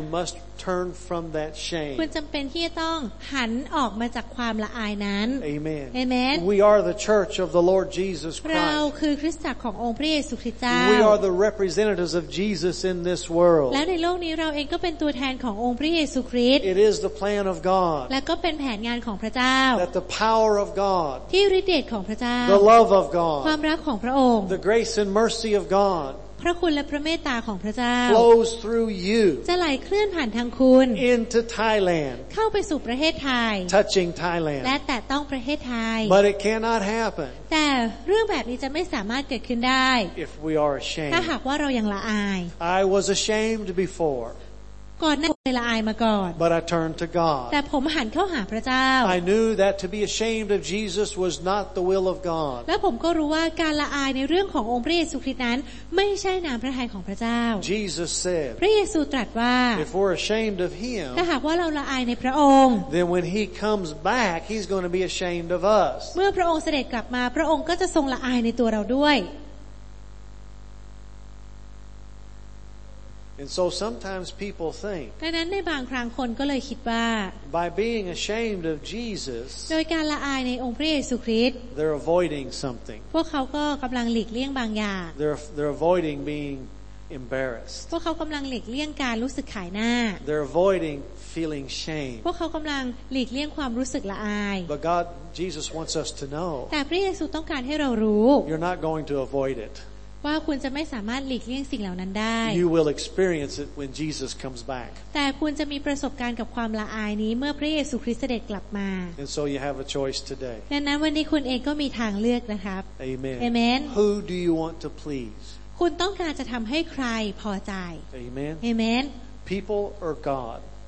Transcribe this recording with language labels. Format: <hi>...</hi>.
<en>You must turn from that shame</en> <th>คุณจำเป็นที่จะต้องหันออกมาจากความละอายนั้น</th> <en>Amen Amen We are the church of the Lord Jesus Christ</en> <th>เราคือคริสตจักรขององค์พระเยซูคริสต์เจ้า</th> <en>We are the representatives of Jesus in this world</en> <th>และในโลกนี้เราเองก็เป็นตัวแทนขององค์พระเยซูคริสต์</th> <en>It is the plan of God</en> <th>และก็เป็นแผนงานของพระเจ้า</th> <en>The power of God.</en> <th>ที่ฤทธิ์เดชของพระเจ้า</th> <en>The love of God.</en> <th>ความรักของพระองค์</th> <en>The grace and mercy of God.</en> <th>พ พระคุณและพระเมตตาของพระเจ้า</th> <en>flows through you</en> <th>จะไหลเคลื่อนผ่านทางคุณ</th> <en>into Thailand</en> <th>เข้าไปสู่ประเทศไทย</th> <en>touching Thailand</en> <th>และแตะต้องประเทศไทย</th> <en>but it cannot happen</en> <th>แต่เรื่องแบบนี้จะไม่สามารถเกิดขึ้นได้</th> <en>if we are ashamed</en> <th>ถ้าหากว่าเรายังละอาย</th> <en>I was ashamed before</en> <th>ก่อนหน้าเวลาอายมาก่อน</th> <en>But I turned to God</en> <th>แต่ผมหันเข้าหาพระเจ้า</th> <en>I knew that to be ashamed of Jesus was not the will of God</en> <th>และผมก็รู้ว่าการละอายในเรื่องขององค์พระเยซูคริสต์นั้นไม่ใช่น้ำพระทัยของพระเจ้า</th> <en>Jesus said</en> <th>พระเยซูตรัสว่า</th> <en>If we're ashamed of him</en> <th>ถ้าหากว่าเราละอายในพระองค์</th> <en>Then when he comes back he's going to be ashamed of us</en> <th>เมื่อพระองค์เสด็จกลับมาพระองค์ก็จะทรงละอายในตัวเราด้วย</th> <en>And so sometimes people think.</en> <th>ดังนั้นในบางครั้งคนก็เลยคิดว่า</th> <en>By being ashamed of Jesus.</en> <th>โดยการละอายในองค์พระเยซูคริสต์</th> <en>They're avoiding something.</en> <th>พวกเขาก็กำลังหลีกเลี่ยงบางอย่าง</th> <en>They're avoiding being embarrassed.</en> <th>พวกเขากำลังหลีกเลี่ยงการรู้สึกขายหน้า</th> <en>They're avoiding feeling shame.</en> <th>พวกเขากำลังหลีกเลี่ยงความรู้สึกละอาย</th> <en>But God, Jesus wants us to know.</en> <th>แต่พระเยซูต้องการให้เรารู้</th> <en>You're not going to avoid it.</en> <th>ว่าคุณจะไม่สามารถหลีกเลี่ยงสิ่งเหล่านั้นได้</th> <en>You will experience it when Jesus comes back</en> <th>แต่คุณจะมีประสบการณ์กับความละอายนี้เมื่อพระเยซูคริสต์เสด็จกลับมา</th> <en>And so you have a choice today</en> <th>ดังนั้นวันนี้คุณเองก็มีทางเลือกนะครับ</th> <en>Amen Amen Who do you want to please</en> <th>คุณต้องการจะทำให้ใครพอใจ</th> <en>Amen Amen People or God</en>